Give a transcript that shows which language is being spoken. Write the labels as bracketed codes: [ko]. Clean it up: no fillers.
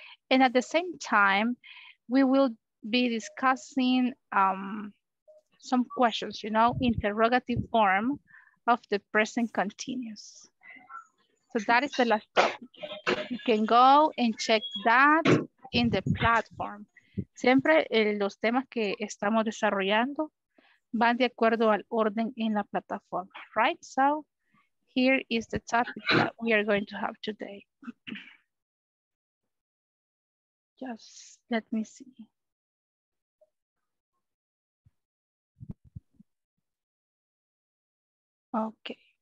[en] And at the same time, we will be discussing some questions, you know, interrogative form of the present continuous. So that is the last topic. You can go and check that in the platform. [es] Siempre los temas que estamos desarrollando van de acuerdo al orden en la plataforma, right? [en] So here is the topic that we are going to have today. Just let me see. Okay.